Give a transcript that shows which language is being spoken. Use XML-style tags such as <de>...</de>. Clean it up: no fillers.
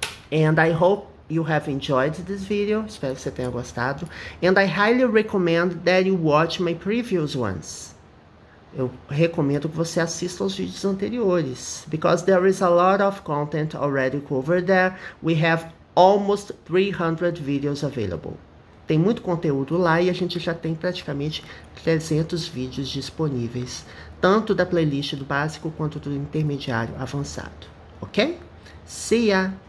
<en>And I hope you have enjoyed this video.</en> <pt>Espero que você tenha gostado.</pt> <en>And I highly recommend that you watch my previous ones.</en> <pt>Eu recomendo que você assista aos vídeos anteriores.</pt> <en>Because there is a lot of content already covered there. We have almost 300 videos available.</en> <pt>Tem muito conteúdo lá e a gente já tem praticamente 300 vídeos disponíveis. Tanto da playlist do básico quanto do intermediário avançado. Ok?</pt> <en>See ya!</en>